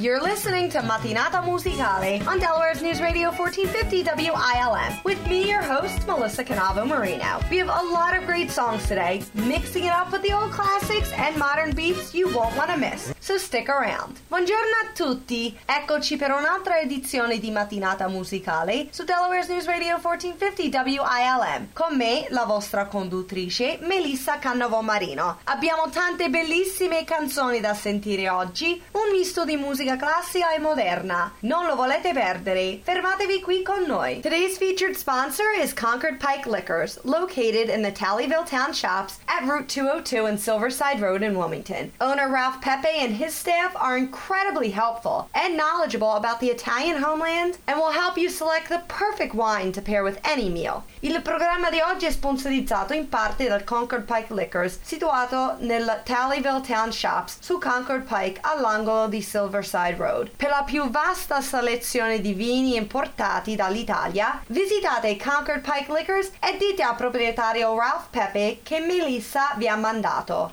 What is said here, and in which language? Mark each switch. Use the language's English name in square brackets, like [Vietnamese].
[English] You're listening to Mattinata Musicale on Delaware's News Radio 1450 WILM with me, your host, Melissa Canavo Marino. We have a lot of great songs today, mixing it up with the old classics and modern beats you won't want to miss. So stick around. [Italian] Buongiorno a tutti. Eccoci per un'altra edizione di Mattinata Musicale su Delaware's News Radio 1450 WILM. Con me, la vostra conduttrice, Melissa Canavo Marino. Abbiamo tante bellissime canzoni da sentire oggi. Oggi un misto di musica classica e moderna. Non lo volete perdere? Fermatevi qui con noi. [English] Today's featured sponsor is Concord Pike Liquors, located in the Tallyville Town Shops at Route 202 and Silverside Road in Wilmington. Owner Ralph Pepe and his staff are incredibly helpful and knowledgeable about the Italian homeland and will help you select the perfect wine to pair with any meal. [Italian] Il programma di oggi è sponsorizzato in parte dal Concord Pike Liquors, situato nel Tallyville Town Shops su Concord Pike all'angolo di Silverside Road. Per la più vasta selezione di vini importati dall'Italia, visitate Concord Pike Liquors e dite al proprietario Ralph Pepe che Melissa vi ha mandato.